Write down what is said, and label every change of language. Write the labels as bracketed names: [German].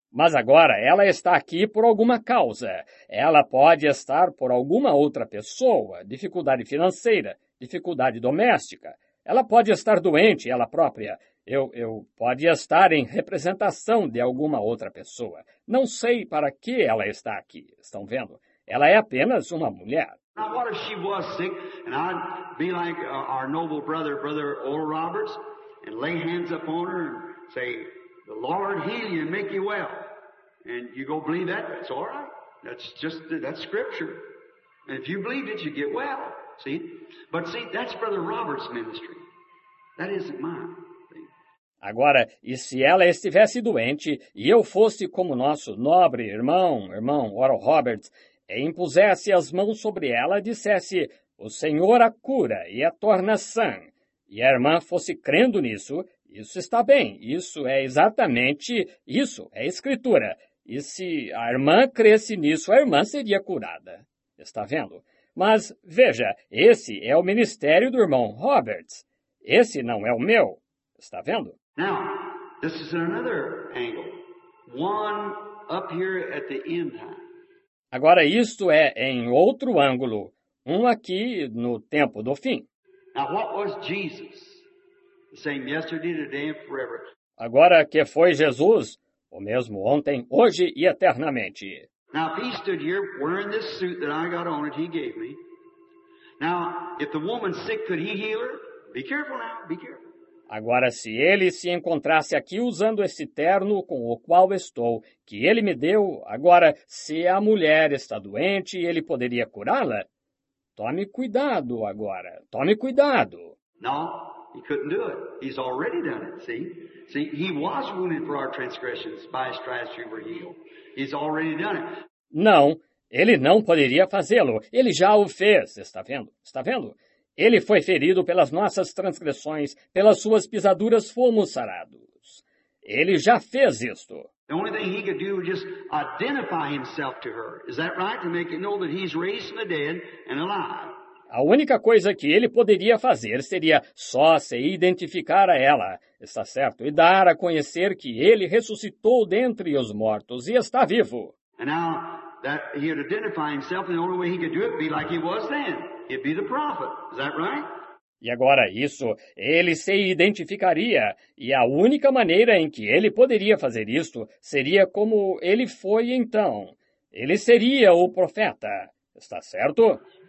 [Portuguese] Mas agora, ela está aqui por alguma causa. Ela pode estar por alguma outra pessoa, dificuldade financeira, dificuldade doméstica. Ela pode estar doente, ela própria. Eu pode estar em representação de alguma outra pessoa. Não sei para que ela está aqui, estão vendo? Ela é apenas uma mulher. [English] Now, what if she was sick, and I'd be like our noble brother, Brother Oral Roberts, and lay hands upon her and say... The Lord heal you and make you well. And you go believe that, that's all right. That's scripture. And if you believe it, you get well. See? But see, that's Brother Robert's ministry. That isn't mine. [Portuguese] Agora, e se ela estivesse doente e eu fosse como nosso nobre irmão Oral Roberts, e impusesse as mãos sobre ela e dissesse, o Senhor a cura e a torna sã, e a irmã fosse crendo nisso... Isso está bem, isso é exatamente isso, é escritura. E se a irmã cresce nisso, a irmã seria curada. Está vendo? Mas, veja, esse é o ministério do irmão Roberts. Esse não é o meu. Está vendo? [English] Now, this is another angle. One up here at the end time. [Portuguese] Agora, isto é em outro ângulo. um aqui no tempo do fim. [English] Now, what was Jesus? The same yesterday, today, and forever. [Portuguese] Agora, que foi Jesus? O mesmo ontem, hoje e eternamente. [English] Now, if he stood here wearing this suit that I got on it, he gave me. Now, if the woman's sick, could he heal her? Be careful now, be careful. [Portuguese] Agora, se ele se encontrasse aqui usando esse terno com o qual estou, que ele me deu, agora, se a mulher está doente, ele poderia curá-la? Tome cuidado agora, tome cuidado. [English] No, he couldn't do it. He's already done it, see? See, he was wounded for our transgressions, by his stripes we were healed. He's already done it. [Portuguese] Não, ele não poderia fazê-lo. Ele já o fez, está vendo? Está vendo? Ele foi ferido pelas nossas transgressões, pelas suas pisaduras fomos sarados. Ele já fez isto. [English] The only thing he could do was just identify himself to her. Is that right? To make it know that he's raised from the dead and alive. [Portuguese] A única coisa que ele poderia fazer seria só se identificar a ela, está certo? E dar a conhecer que ele ressuscitou dentre os mortos e está vivo. [English] And now that he had identified himself, the only way he could do it would be like he was then. He'd be the prophet. Is that right? [Portuguese] E agora isso, ele se identificaria, e a única maneira em que ele poderia fazer isto seria como ele foi então. Ele seria o profeta, está certo?